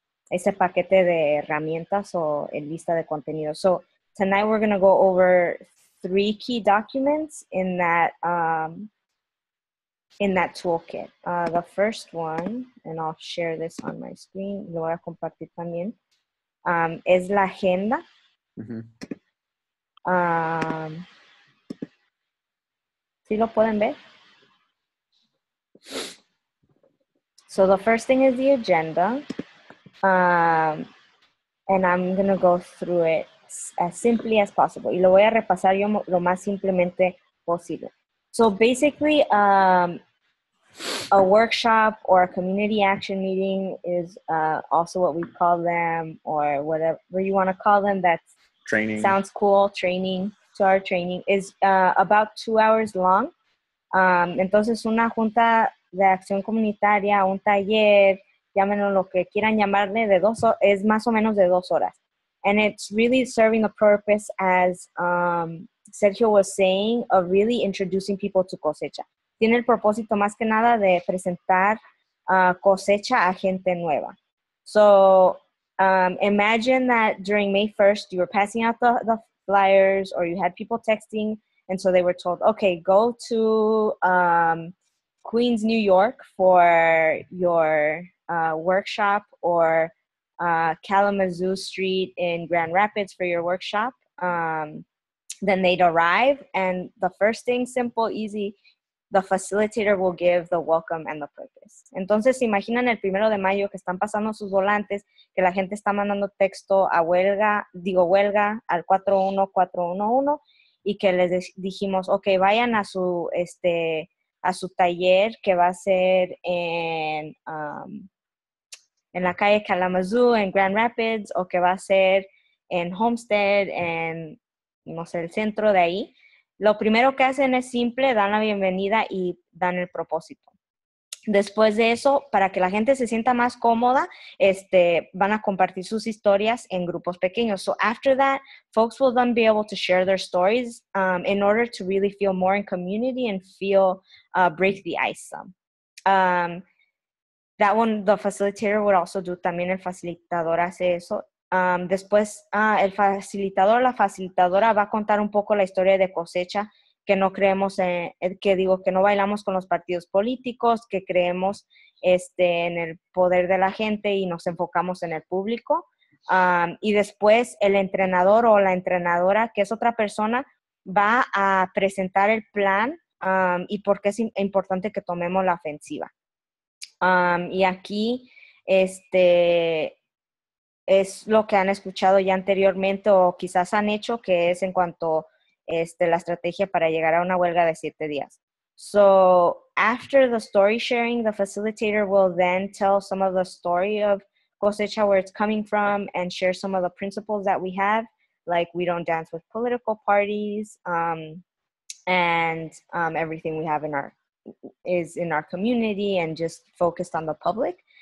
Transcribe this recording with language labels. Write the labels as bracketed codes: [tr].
[es] ese paquete de herramientas o en lista de contenido. [en] So, tonight we're going to go over three key documents in that toolkit. The first one, and I'll share this on my screen, [es] lo voy a compartir también, es la agenda. Mm-hmm. ¿Sí lo pueden ver? [en] So, the first thing is the agenda. And I'm going to go through it as simply as possible. [es] Y lo voy a repasar yo lo más simplemente posible. [en] So basically, a workshop or a community action meeting is also what we call them, or whatever you want to call them. That's training. Sounds cool. Training. So our training is about 2 hours long. [es] Entonces, una junta de acción comunitaria, un taller, llámenlo lo que quieran llamarle, es más o menos de 2 horas. [en] And it's really serving a purpose, as Sergio was saying, of really introducing people to Cosecha. [es] Tiene el propósito más que nada de presentar Cosecha a gente nueva. [en] So imagine that during May 1st, you were passing out the flyers, or you had people texting, and so they were told, okay, go to Queens, New York for your... workshop, or Kalamazoo Street in Grand Rapids for your workshop. Then they'd arrive, and the first thing, simple, easy, the facilitator will give the welcome and the purpose. [es] Entonces, ¿se imaginan el primero de mayo que están pasando sus volantes, que la gente está mandando texto a huelga, digo huelga, al 41411, y que les dijimos, ok, vayan a su, a su taller que va a ser en la calle Kalamazoo, en Grand Rapids, o que va a ser en Homestead, en, no sé, el centro de ahí. Lo primero que hacen es simple, dan la bienvenida y dan el propósito. Después de eso, para que la gente se sienta más cómoda, van a compartir sus historias en grupos pequeños. [en] So after that, folks will then be able to share their stories in order to really feel more in community and feel break the ice some. That one, the facilitator would also do, [es] también el facilitador hace eso. El facilitador, la facilitadora va a contar un poco la historia de cosecha, que no creemos en, que no bailamos con los partidos políticos, que creemos en el poder de la gente y nos enfocamos en el público. Y después el entrenador o la entrenadora, que es otra persona, va a presentar el plan y por qué es importante que tomemos la ofensiva. Y aquí, es lo que han escuchado ya anteriormente o quizás han hecho, que es en cuanto a la estrategia para llegar a una huelga de 7 días. [en] So, after the story sharing, the facilitator will then tell some of the story of cosecha, where it's coming from, and share some of the principles that we have, like we don't dance with political parties, and everything we have in our community and just focused on the public.